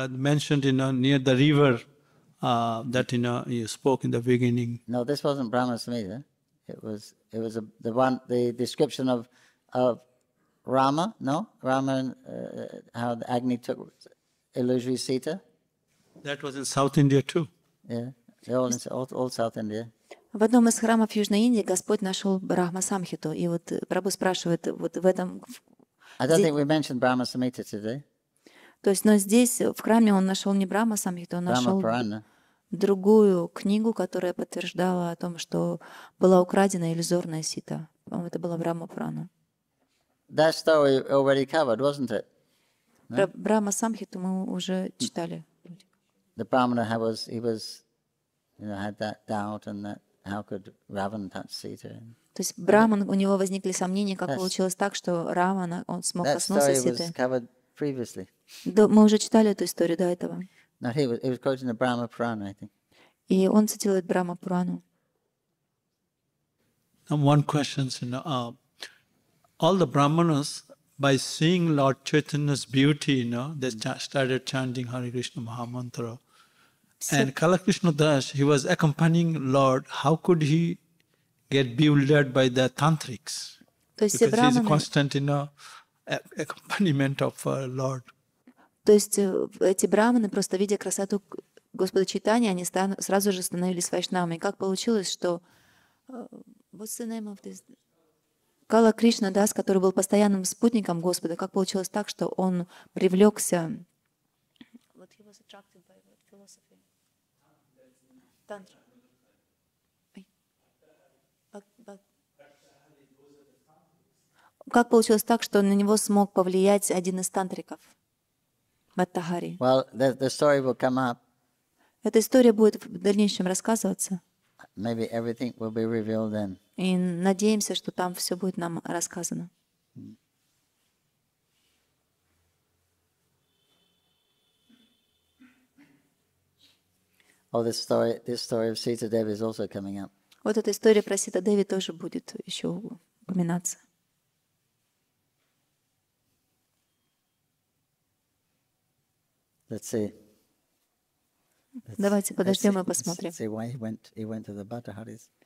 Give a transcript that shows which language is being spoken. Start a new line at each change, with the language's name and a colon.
English: Mentioned in near the river that you spoke in the beginning. No, this wasn't Brahma Samhita. It was the description of Rama. No, Rama and how the Agni took illusory Sita. That was in South India too. Yeah, they're all in all South India.
Russian: В одном из храмов Южной Индии Господь нашел Брахма Самхиту, и вот Прабху спрашивает вот в этом.
English: I don't think we mentioned Brahma Samhita today.
Russian: То есть, но здесь, в храме, он нашел не Брахма Самхиту, он нашел другую книгу, которая подтверждала о том, что была украдена иллюзорная сита. По-моему, это была Брахма Прана.
English: That story already covered, wasn't it? No?
Russian: Брахма Самхиту мы уже читали.
English: The Brahmana he was, had that doubt and that how could Ravan touch Sita.
Russian: То есть Брахман, у него возникли сомнения, как получилось так, что Равана он смог коснуться Ситы.
English: Previously.
Russian: Мы уже читали эту историю до этого.
English: No, he was quoting the Brahma Purana, I think.
Russian: И он цитирует Брахма Пурану.
English: One question, all the Brahmanas by seeing Lord Chaitanya's beauty, you know, they started chanting Hare Krishna Maha Mantra. And Kalakrishna Das, he was accompanying Lord. How could he get bewildered by the tantrics? Because he's a constant, you know, accompaniment of Lord.
Russian: То есть эти брахманы, просто видя красоту Господа Чайтаньи, они сразу же становились вайшнавами. Как получилось, что
English: what's the name of this?
Russian: Кала Кришна Дас, который был постоянным спутником Господа, как получилось так, что он привлекся?
English: What he was attracted by, what philosophy? Tantra.
Russian: Как получилось так, что на него смог повлиять один из тантриков? Матахари.
English: Well, the story will come up.
Russian: Эта история будет в дальнейшем рассказываться.
English: Maybe everything will be revealed then.
Russian: И надеемся, что там все будет нам рассказано.
English: Oh, this story of Sita Devi is also coming up.
Russian: Вот эта история про Сита Деви тоже будет еще упоминаться.
English: Let's see.
Russian: Давайте подождем и посмотрим.
English: See why he went to the Bhattaharis.